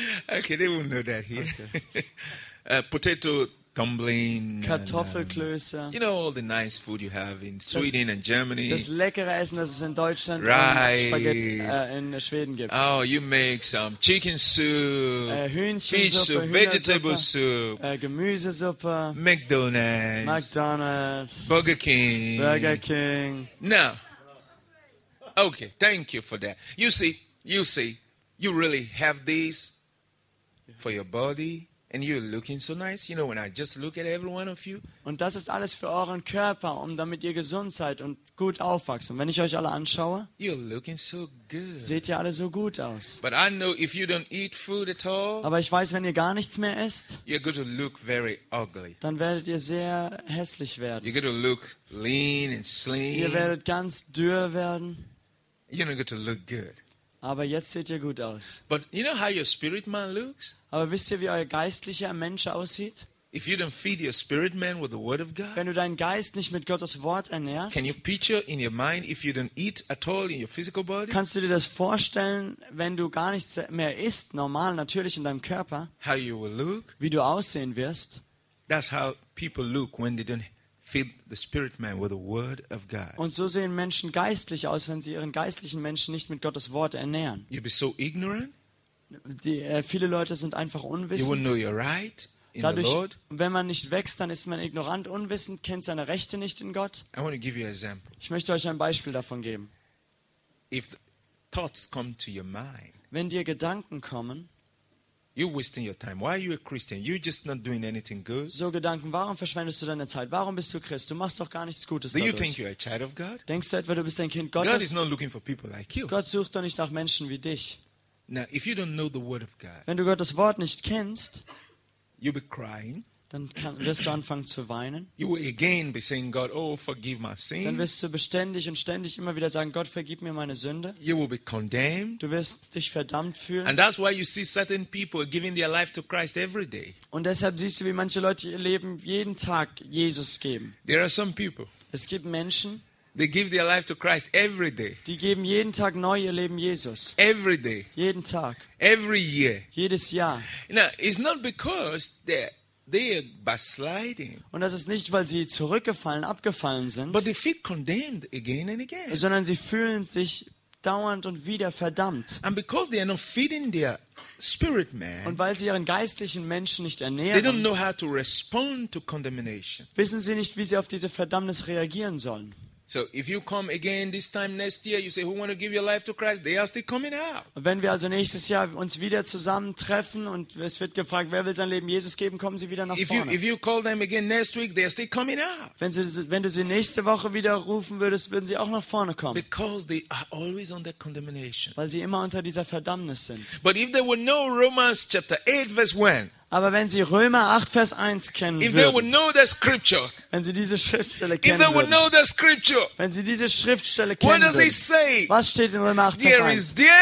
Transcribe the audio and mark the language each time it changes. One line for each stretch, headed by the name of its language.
English: okay, they won't know that here. Okay. Potato dumpling,
German: Kartoffelklöße.
English: You know all the nice food you have in Sweden and Germany.
German: Das leckere Essen, das es in Deutschland in Schweden gibt.
English: Oh, you make some chicken soup,
German: Hühnchensuppe,
English: vegetable soup,
German: Gemüsesuppe,
English: McDonald's, Burger King. No. Okay, thank you for that. You see, you really have this for your body. And you're looking so nice, you know, when I just look at every one of you.
German: Und das ist alles für euren Körper, um damit ihr gesund seid und gut aufwachsen. Wenn ich euch alle anschaue,
English: you're looking so good.
German: Seht ihr alle so gut aus.
English: But I know if you don't eat food at all,
German: aber ich weiß, wenn ihr gar nichts mehr esst,
English: you're going to look very ugly.
German: Dann werdet ihr sehr hässlich werden.
English: You're going to look lean and slim.
German: Ihr werdet ganz dürr werden.
English: You're not going to look good.
German: Aber jetzt seht ihr gut aus.
English: But you know how your spirit man looks?
German: Aber wisst ihr, wie euer geistlicher Mensch aussieht?
English: If you don't feed your spirit man with the word of God,
German: wenn du deinen Geist nicht mit Gottes Wort ernährst,
English: can you picture in your mind if you don't eat at all in your physical body?
German: Kannst du dir das vorstellen, wenn du gar nichts mehr isst, normal, natürlich in deinem Körper?
English: How you will look?
German: Wie du aussehen wirst?
English: That's how people look when they don't feed the spirit man with the word of God.
German: Und so sehen Menschen geistlich aus, wenn sie ihren geistlichen Menschen nicht mit Gottes Wort ernähren.
English: You'll be so ignorant.
German: Viele Leute sind einfach unwissend.
English: You won't know your right in
German: dadurch,
English: the Lord.
German: Wenn man nicht wächst, dann ist man ignorant, unwissend, kennt seine Rechte nicht in Gott.
English: I want to give you an example.
German: Ich möchte euch ein Beispiel davon geben.
English: If thoughts come to your mind,
German: wenn dir Gedanken kommen,
English: you're wasting your time. Why are you a Christian? You're just not doing anything good.
German: So Gedanken, warum verschwendest du deine Zeit? Warum bist du Christ? Du machst doch gar nichts Gutes dadurch.
English: Do you think you're a child of God?
German: Denkst du etwa, du bist ein Kind Gottes?
English: God is not looking for people like you.
German: Gott sucht doch nicht nach Menschen wie dich.
English: Now, if you don't know the word of God,
German: wenn du Gottes Wort nicht kennst,
English: you'll be crying.
German: Dann wirst du anfangen zu weinen.
English: You will again be saying, God, oh, forgive my sin.
German: Dann wirst du beständig und ständig immer wieder sagen, Gott, vergib mir meine Sünde.
English: You will be condemned.
German: Du wirst dich verdammt fühlen.
English: And that's why you see certain people giving their life to Christ every day.
German: Und deshalb siehst du, wie manche Leute ihr Leben jeden Tag Jesus geben.
English: There are some people.
German: Es gibt Menschen.
English: They give their life to Christ every day.
German: Die geben jeden Tag neu ihr Leben Jesus.
English: Every day.
German: Jeden Tag.
English: Every year.
German: Jedes Jahr.
English: Now, it's not because they're they are backsliding.
German: Und das ist nicht, weil sie zurückgefallen, abgefallen sind.
English: But they feel condemned again and again.
German: Sondern sie fühlen sich dauernd und wieder verdammt.
English: And because they are not feeding their spirit man.
German: Und weil sie ihren geistlichen Menschen nicht ernähren.
English: They don't know how to respond to condemnation.
German: Wissen sie nicht, wie sie auf diese Verdammnis reagieren sollen?
English: So if you come again this time next year, you say who want to give your life to Christ, they are still coming out.
German: Wenn wir also nächstes Jahr uns wieder zusammentreffen und es wird gefragt, wer will sein Leben Jesus geben, kommen sie wieder nach vorne.
English: If you call them again next week, they are still coming out.
German: Wenn du sie nächste Woche wieder rufen würdest, würden sie auch nach vorne kommen.
English: Because they are always under condemnation.
German: Weil sie immer unter dieser Verdammnis sind.
English: But if there were no Romans chapter 8 verse 1.
German: Aber wenn sie Römer 8, Vers 1 kennen würden, wenn sie diese Schriftstelle kennen würden, was steht in Römer 8, Vers 1?